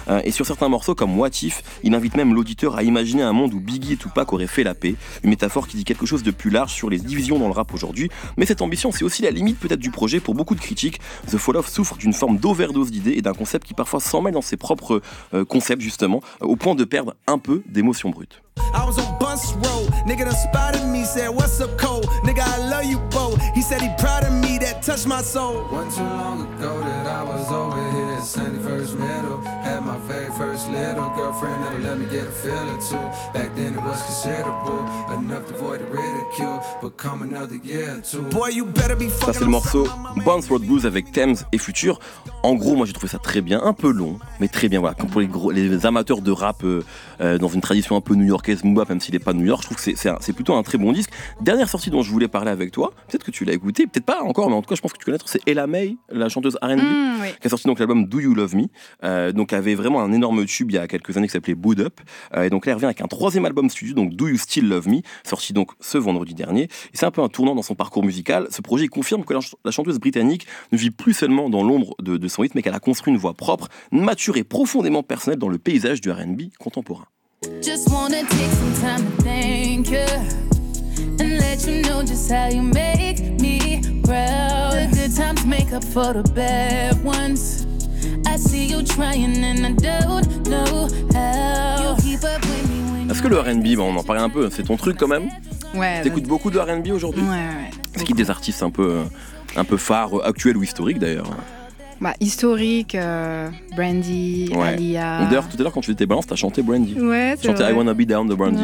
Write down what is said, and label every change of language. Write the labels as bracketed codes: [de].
[fr] Et sur certains morceaux, comme What If, il invite même l'auditeur à imaginer un monde où Biggie et Tupac auraient fait la paix. Une métaphore qui dit quelque chose de plus large sur les divisions dans le rap aujourd'hui. Mais cette ambition, c'est aussi la limite peut-être du projet pour beaucoup de critiques. The Fall Off souffre d'une forme d'overdose d'idées et d'un concept qui parfois s'en mêle dans ses propres concepts, justement, au point de perdre un peu d'émotion brute. [en] I was on bus road, nigga done spotted me, said what's up, Cole, nigga I love you, Bo. He said he proud of me, that touched my soul. Wasn't too long ago that I was over here, Sandy first middle. Had my very first little girlfriend that let me get a feeling too. Back then it was considerable, enough to avoid the ridicule. But come another year or two. Boy, you better be fucking. [fr] Ça c'est le morceau Bounce Road Blues avec Thames et Future. En gros, moi j'ai trouvé ça très bien, un peu long, mais très bien. Voilà, comme pour les amateurs de rap dans une tradition un peu new-yorkaise, Mumba, même s'il n'est pas New York, je trouve que c'est plutôt un très bon disque. Dernière sortie dont je voulais parler avec toi, peut-être que tu l'as écouté, peut-être pas encore, mais en tout cas, je pense que tu connais, c'est Ella May, la chanteuse R&B, qui a sorti donc l'album Do You Love Me. Donc, avait vraiment un énorme tube il y a quelques années qui s'appelait Boot Up. Et donc, là, elle revient avec un troisième album studio, donc Do You Still Love Me, sorti donc ce vendredi dernier. Et c'est un peu un tournant dans son parcours musical. Ce projet confirme que la chanteuse britannique ne vit plus seulement dans l'ombre de son rythme, mais qu'elle a construit une voix propre, mature et profondément personnelle dans le paysage du R&B contemporain. [en] Just wanna take some time to thank you and let you know just how you make me proud. The good times make up for the bad ones. I see you trying and I don't know how. You keep up with me when. [fr] Est-ce que le R&B, on en parlait un peu, c'est ton truc quand même? Ouais. T'écoutes beaucoup de R&B aujourd'hui? Ouais, ouais. Ce qui est des artistes un peu phares, actuels ou historiques d'ailleurs? Bah, historique, Brandy, ouais. Aaliyah. D'ailleurs, tout à l'heure, quand tu étais balance, t'as chanté Brandy. Ouais, chanté I Wanna Be Down de Brandy.